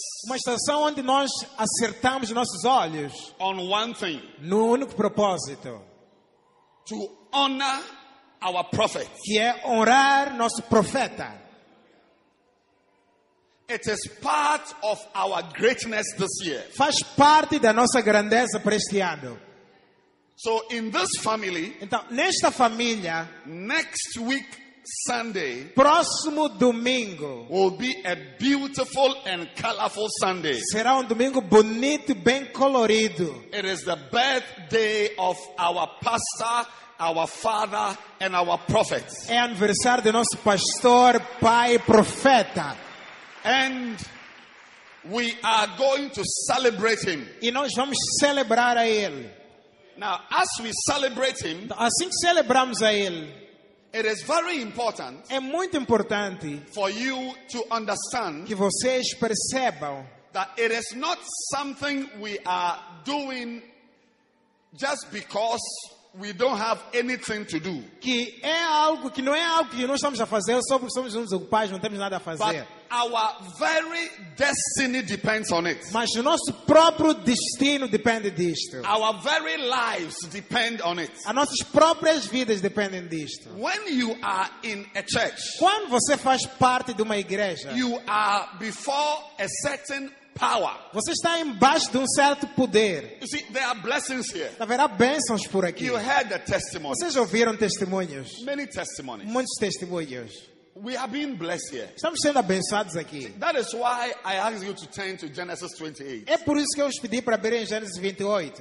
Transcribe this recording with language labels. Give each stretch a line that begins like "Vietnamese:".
Portuguese: Uma estação onde nós acertamos nossos olhos.
English: On one thing.
Portuguese: No único propósito.
English: To honor our prophet.
Portuguese: Que é honrar nosso profeta.
English: It is part of our greatness this year.
Portuguese: Faz parte da nossa grandeza para este ano.
English: So in this family,
Portuguese: então, nesta família,
English: next week Sunday,
Portuguese: próximo domingo,
English: will be a beautiful and colorful Sunday.
Portuguese: Será domingo bonito, bem colorido.
English: It is the birthday of our pastor, our father, and our prophet.
Portuguese: É aniversário do nosso pastor, pai e profeta.
English: And we are going to celebrate him.
Portuguese: E nós vamos celebrar a ele.
English: Now, as we celebrate him,
Portuguese: assim que celebramos a ele,
English: it is very important.
Portuguese: É muito importante
English: for you to understand
Portuguese: que vocês percebam
English: that it is not something we are doing just because we don't have anything to do.
Portuguese: Que é algo que não é algo que nós estamos a fazer só porque somos desocupados, não temos nada a fazer.
English: But our very destiny depends on it.
Portuguese: Mas o nosso próprio destino depende disto.
English: Our very lives depend on it.
Portuguese: As nossas próprias vidas dependem disto.
English: When you are in a church,
Portuguese: quando você faz parte de uma igreja,
English: you are before a certain power.
Portuguese: Você está embaixo de certo poder.
English: You see, there are blessings here.
Portuguese: Haverá bênçãos por aqui.
English: You heard the testimony.
Portuguese: Vocês ouviram testemunhos.
English: Many testimonies.
Portuguese: Muitos testemunhos.
English: We are being blessed here.
Portuguese: Estamos sendo abençoados aqui.
English: See, that is why I asked you to turn to Genesis 28.
Portuguese: É por isso que eu os pedi para abrir em Gênesis 28.